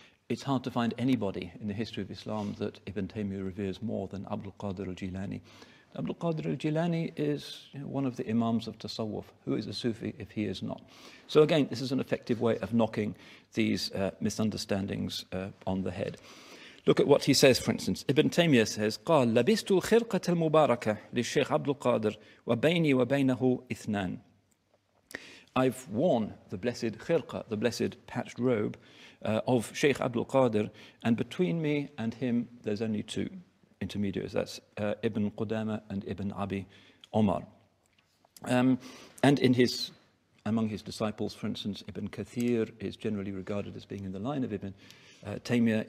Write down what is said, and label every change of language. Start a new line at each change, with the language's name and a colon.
English: It's hard to find anybody in the history of Islam that Ibn Taymiyyah reveres more than Abdul Qadir al-Jilani. Abdul Qadir al-Jilani is, you know, one of the imams of tasawwuf. Who is a Sufi if he is not? So again, this is an effective way of knocking these misunderstandings on the head. Look at what he says, for instance. Ibn Taymiyyah says,
Arabic: قال لبست الخرقة المباركة للشيخ عبد القادر وبيني وبينه إثنان.
English: I've worn the blessed khirqa, the blessed patched robe of Sheikh Abdul Qadir, and between me and him, there's only two intermediaries. That's Ibn Qudama and Ibn Abi Omar. And in his, among his disciples, for instance, Ibn Kathir is generally regarded as being in the line of Ibn Taymiyyah.